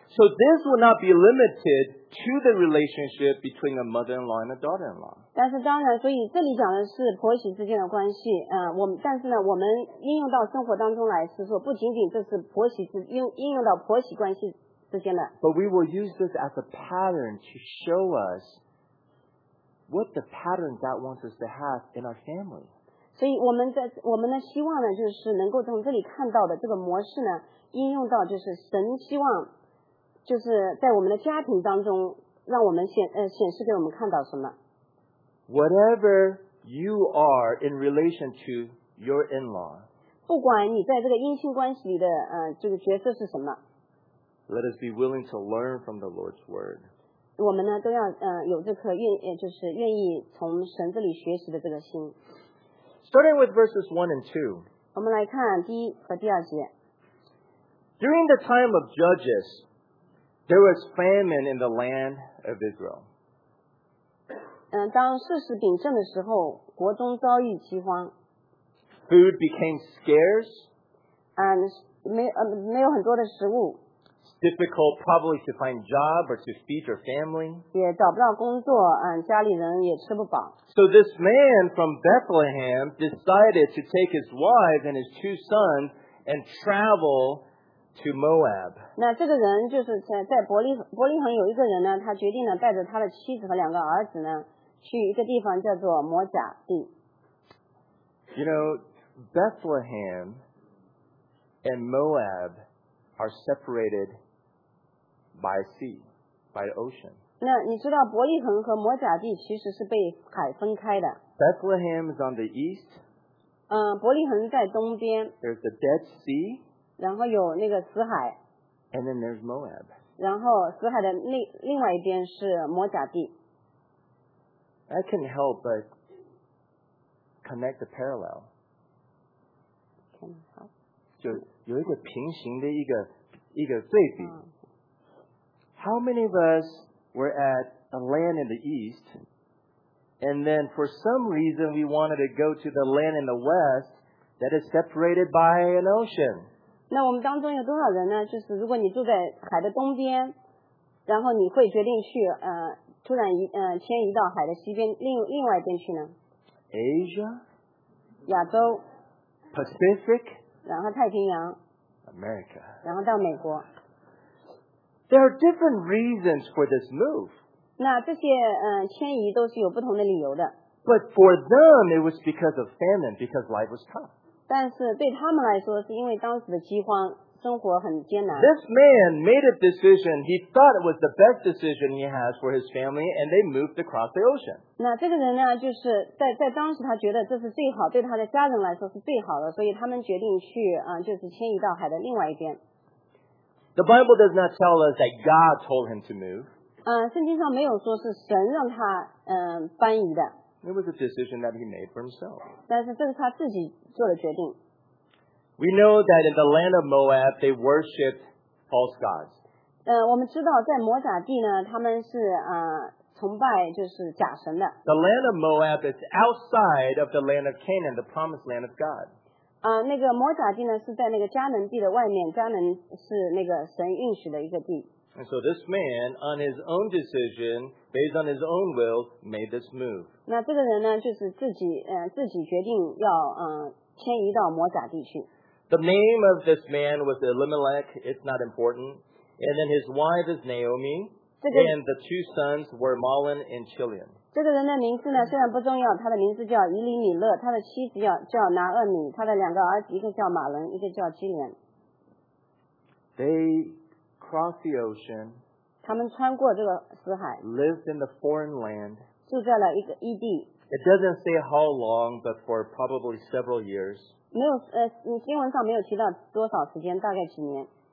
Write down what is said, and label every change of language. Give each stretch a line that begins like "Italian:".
English: So this will not be limited to the relationship between a mother-in-law and a daughter-in-law.
Chinese: 但是当然，所以这里讲的是婆媳之间的关系。我们应用到生活当中来，是说不仅仅这是婆媳应用到婆媳关系。
English: But we will use this as a pattern to show us what the pattern God wants us to have in our family.
Chinese: 所以我们在我们的希望呢，就是能够从这里看到的这个模式呢，应用到就是神希望就是在我们的家庭当中，让我们显示给我们看到什么。
English: Whatever you are in relation to your in-law,
Chinese: 不管你在这个姻亲关系里的这个角色是什么。
English: Let us be willing to learn from the Lord's word.
Chinese: 我们呢都要有这颗愿就是愿意从神这里学习的这个心。
English: Starting with verses 1 and 2.
Chinese: 我们来看第一和第二节。
English: During the time of Judges, there was famine in the land of Israel.
Chinese: 当世事鼎盛的时候，国中遭遇饥荒。
English: Food became scarce.
Chinese: 没有很多的食物。
English: Difficult probably to find job or to feed your family.
Chinese: 也找不到工作，家里人也吃不饱。
English: So this man from Bethlehem decided to take his wife and his two sons and travel to Moab.
Chinese: 那这个人就是在伯利恒有一个人呢，他决定呢带着他的妻子和两个儿子呢，去一个地方叫做摩甲地。
English: You know, Bethlehem and Moab. Are separated by sea, by ocean.
Chinese: 那你知道伯利恒和摩甲地其实是被海分开的。
English: Bethlehem is on the east.
Chinese: 伯利恒在东边。
English: There's the Dead Sea.
Chinese: 然后有那个死海。
English: And then there's Moab.
Chinese: 然后死海的另外一边是摩甲地。
English: I can't help but connect the parallel. Can't help.
Chinese: 有一个平行的一个对比。
English: How many of us were at a land in the east, and then for some reason we wanted to go to the land in the west that is separated by an ocean?
Chinese: 那我们当中有多少人呢？就是如果你住在海的东边，然后你会决定去突然迁移到海的西边另外一边去呢
English: ？Asia,
Chinese: 亚洲
English: ，Pacific.
Chinese: 然后太平洋
English: America.
Chinese: 然后到美国
English: There are different reasons for this move.
Chinese: 那这些迁移都是有不同的理由的
English: But for them, it was because of famine, because life was tough.
Chinese: 但是对他们来说是因为当时的饥荒生活很艰难
English: This man made a decision he thought it was the best decision he has for his family, and they moved across the ocean.
Chinese: 那这个人呢，就是在当时他觉得这是最好，对他的家人来说是最好的，所以他们决定去就是迁移到海的另外一边。
English: The Bible does not tell us that God told him to move.
Chinese: 圣经上没有说是神让他搬移的。
English: It was a decision that he made for himself.
Chinese: 但是这是他自己做的决定。
English: We know that in the land of Moab, they worshipped false gods.
Chinese: 我们知道在摩甲地呢，他们是崇拜就是假神的。
English: The land of Moab is outside of the land of Canaan, the promised land of God.
Chinese: 那个摩甲地呢是在那个迦南地的外面，迦南是那个神应许的一个地。
English: And so this man, on his own decision, based on his own will, made this move.
Chinese: 那这个人呢，就是自己决定要迁移到摩甲地去。
English: The name of this man was Elimelech. It's not important. And then his wife is Naomi. And the two sons were Mahlon and Chilion.
Chinese: 这个人的名字呢,虽然不重要,他的名字叫伊利米勒,他的妻子叫拿厄米,他的两个儿子,一个叫马伦,一个叫基连。
English: They crossed the ocean.
Chinese: 他们穿过这个死海,
English: lived in the foreign land.
Chinese: 住在了一个异地,
English: it doesn't say how long, but for probably several years.
Chinese: 没有,新闻上没有提到多少时间,大概几年。